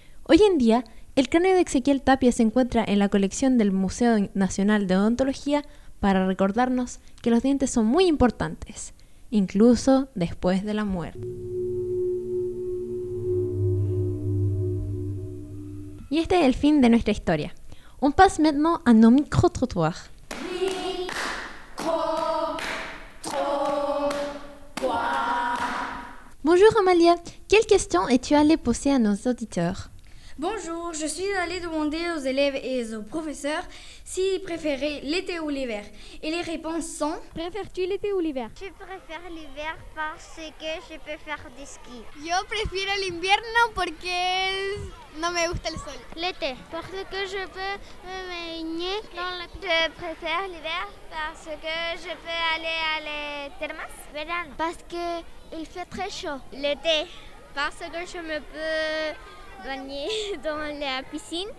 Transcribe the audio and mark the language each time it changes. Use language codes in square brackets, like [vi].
[es] Hoy en día, el cráneo de Ezequiel Tapia se encuentra en la colección del Museo Nacional de Odontología para recordarnos que los dientes son muy importantes, incluso después de la muerte. Y este es el fin de nuestra historia. [fr] On passe maintenant à nos micro-trottoirs. Bonjour Amalia, quelle question es-tu allée poser à nos auditeurs? Bonjour, je suis allée demander aux élèves et aux professeurs s'ils préféraient l'été ou l'hiver. Et les réponses sont... Préfères-tu l'été ou l'hiver? Je préfère l'hiver parce que je peux faire du ski. [es] Yo prefiero el invierno porque no me gusta el sol. [fr] L'été, parce que je peux me baigner dans la... Je préfère l'hiver parce que je peux aller à les thermas. [es] Verano, [fr] parce que il fait très chaud. L'été, parce que je me peux... Baigner dans la piscine.